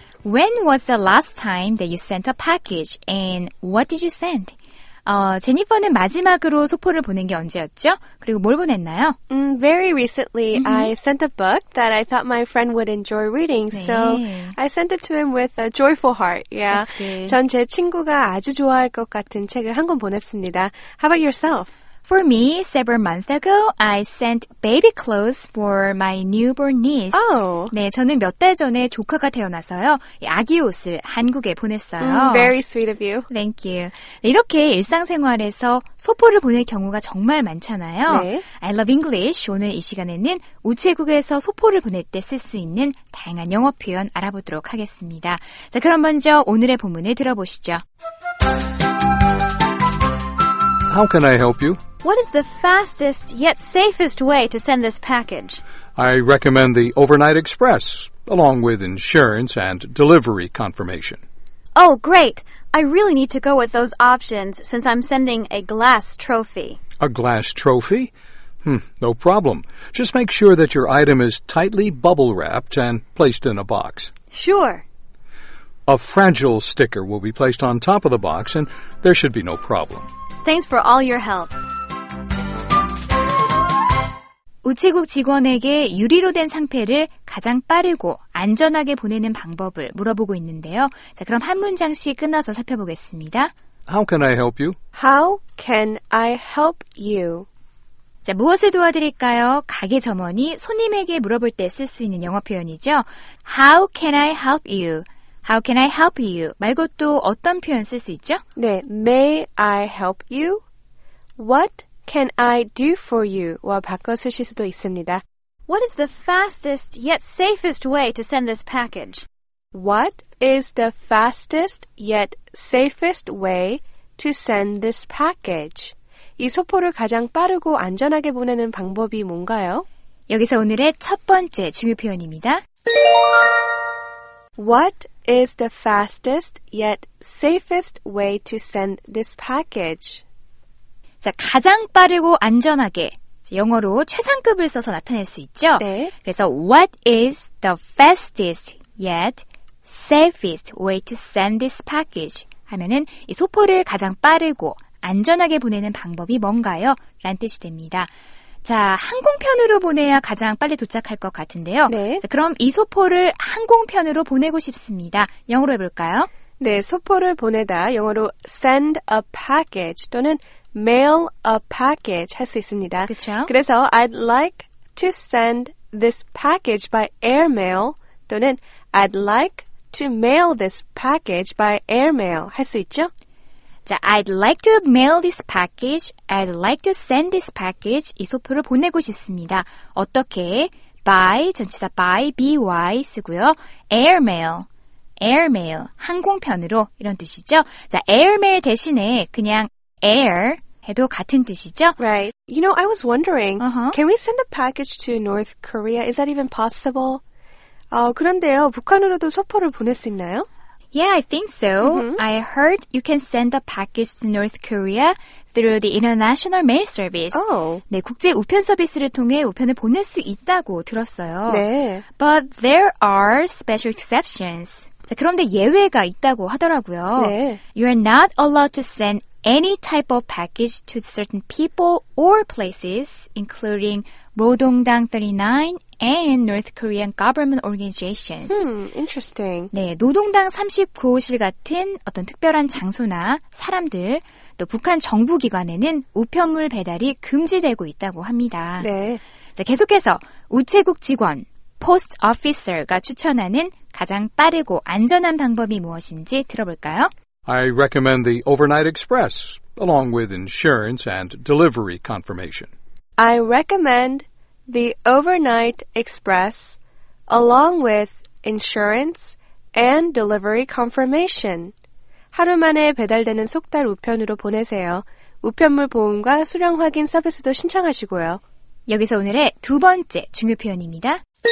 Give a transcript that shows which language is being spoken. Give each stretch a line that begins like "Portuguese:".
English: When was the last time that you sent a package and what did you send?
Korean: 제니퍼는 마지막으로 소포를 보낸 게 언제였죠? 그리고 뭘 보냈나요?
English: Very recently, I sent a book that I thought my friend would enjoy reading.
Korean: 네.
English: So I sent it to him with a joyful heart. Yeah. That's good.
Korean: 전 제 친구가 아주 좋아할 것 같은 책을 한 권 보냈습니다.
English: How about yourself? For me, several months ago, I sent baby clothes for my newborn niece. Oh.
Korean: 네, 저는 몇 달 전에 조카가 태어나서요. 아기 옷을 한국에 보냈어요.
English: Very sweet of you. Thank you.
Korean: 네, 이렇게 일상생활에서 소포를 보낼 경우가 정말 많잖아요. 네.
English: I Love English.
Korean: 오늘 이 시간에는 우체국에서 소포를 보낼 때 쓸 수 있는 다양한 영어 표현 알아보도록 하겠습니다. 자, 그럼 먼저 오늘의 본문을 들어보시죠.
English: How can I help you? What is the fastest yet safest way to send this package? I recommend the Overnight Express, along with insurance and delivery confirmation. Oh, great. I really need to go with those options since I'm sending a glass trophy. A glass trophy? No problem. Just make sure that your item is tightly bubble-wrapped and placed in a box. Sure. A fragile sticker will be placed on top of the box and there should be no problem. Thanks for all your help.
Korean: 우체국 직원에게 유리로 된 상패를 가장 빠르고 안전하게 보내는 방법을 물어보고 있는데요. 자, 그럼 한 문장씩 끊어서 살펴보겠습니다.
English: How can I help you? How can I help you?
Korean: 자, 무엇을 도와드릴까요? 가게 점원이 손님에게 물어볼 때 쓸 수 있는 영어 표현이죠.
English: How can I help you? How can I help you?
Korean: 말고 또 어떤 표현 쓸 수 있죠?
English: 네, May I help you? What can I do for you?
Korean: 와 바꿔 쓰실 수도 있습니다.
English: What is the fastest yet safest way to send this package? What is the fastest yet safest way to send this package?
Korean: 이 소포를 가장 빠르고 안전하게 보내는 방법이 뭔가요? 여기서 오늘의 첫 번째 중요 표현입니다.
English: What is the fastest yet safest way to send this package?
Korean: 자, 가장 빠르고 안전하게 영어로 최상급을 써서 나타낼 수 있죠? 네.
English: 그래서 What is the fastest yet safest way to send this package?
Korean: 하면은 이 소포를 가장 빠르고 안전하게 보내는 방법이 뭔가요? 라는 뜻이 됩니다. 자, 항공편으로 보내야 가장 빨리 도착할 것 같은데요. 네. 자, 그럼 이 소포를 항공편으로 보내고 싶습니다. 영어로 해볼까요? 네, 소포를 보내다 영어로
English: send a package
Korean: 또는
English: mail a package
Korean: 할 수 있습니다. 그렇죠.
English: 그래서 I'd like to send this package by airmail 또는 I'd like to mail this package by airmail
Korean: 할 수 있죠?
English: 자, I'd like to mail this package. I'd like to send this package.
Korean: 이 소포를 보내고 싶습니다. 어떻게? By, 전치사 by, by 쓰고요. Airmail, airmail, 항공편으로 이런 뜻이죠. 자, airmail 대신에 그냥 air 해도 같은 뜻이죠.
English: Right. You know, I was wondering, can we send a package to North Korea? Is that even possible?
Korean: 그런데요, 북한으로도 소포를 보낼 수 있나요?
English: Yeah, I think so. Mm-hmm. I heard you can send a package to North Korea through the International Mail Service. Oh.
Korean: 네, 국제 우편 서비스를 통해 우편을 보낼 수 있다고 들었어요. 네.
English: But there are special exceptions.
Korean: 자, 그런데 예외가 있다고 하더라고요. 네.
English: You are not allowed to send any type of package to certain people or places, including 로동당 39, and North Korean government organizations. Interesting.
Korean: 네, 노동당 39호실 같은 어떤 특별한 장소나 사람들, 또 북한 정부기관에는 우편물 배달이 금지되고 있다고 합니다. 네. 자, 계속해서 우체국 직원,
English: post officer
Korean: 가 추천하는 가장 빠르고 안전한 방법이 무엇인지 들어볼까요?
English: I recommend the overnight express, along with insurance and delivery confirmation. I recommend the overnight express, along with insurance and delivery confirmation.
Korean: 하루 만에 배달되는 속달 우편으로 보내세요. 우편물 보험과 수령 확인 서비스도 신청하시고요. 여기서 오늘의 두 번째 중요 표현입니다.